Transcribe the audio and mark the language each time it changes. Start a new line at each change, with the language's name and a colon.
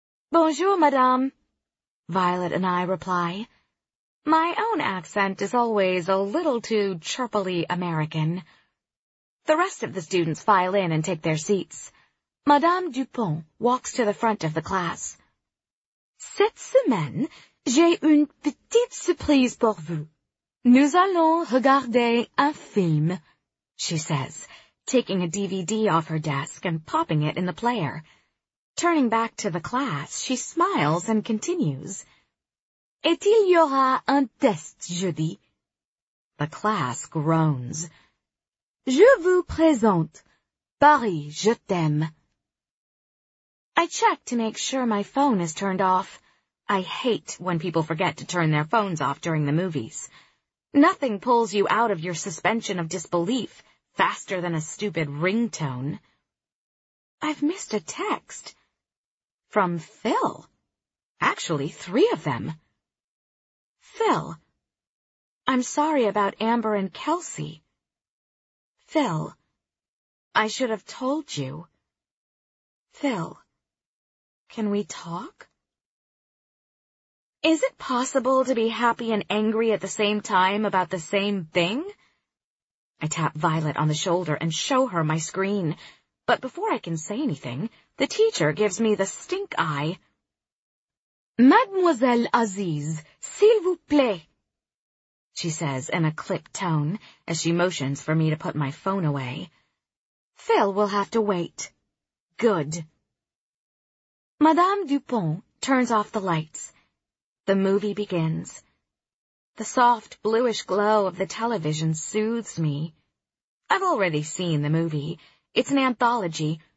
French: Bonjour, madame,
English: Violet and I reply. My own accent is always a little too chirpily American. The rest of the students file in and take their seats. Madame Dupont walks to the front of the class.
French: Cette semaine, j'ai une petite surprise pour vous. Nous allons regarder un film,
English: she says, taking a DVD off her desk and popping it in the player. Turning back to the class, she smiles and continues.
French: Et il y aura un test jeudi.
English: The class groans.
French: Je vous présente Paris, je t'aime.
English: I check to make sure my phone is turned off. I hate when people forget to turn their phones off during the movies. Nothing pulls you out of your suspension of disbelief faster than a stupid ringtone. I've missed a text. From Phil. Actually, three of them. Phil. I'm sorry about Amber and Kelsey. Phil. I should have told you. Phil. Can we talk? Is it possible to be happy and angry at the same time about the same thing? I tap Violet on the shoulder and show her my screen. But before I can say anything, the teacher gives me the stink eye.
French: Mademoiselle Aziz, s'il vous plaît,
English: she says in a clipped tone as she motions for me to put my phone away. Phil will have to wait. Good. Madame Dupont turns off the lights. The movie begins. The soft, bluish glow of the television soothes me. I've already seen the movie. It's an anthology,